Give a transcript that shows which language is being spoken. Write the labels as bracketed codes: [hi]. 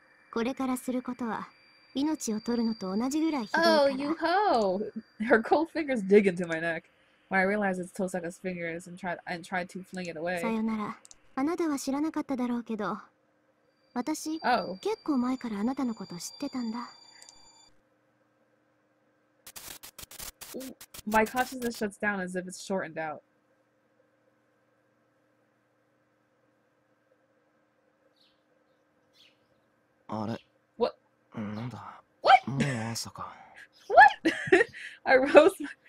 [ja] これからすることは、命を取るのと同じぐらいひどいから。 [en] Oh, you ho! Her cold fingers dig into my neck. When I realize it's Tosaka's fingers and try to fling it away. [ja] さよなら。あなたは知らなかっただろうけど、私、 [en] Oh. [ja] 結構前からあなたのこと知ってたんだ。 [en] My consciousness shuts down as if it's shortened out. What? What? What?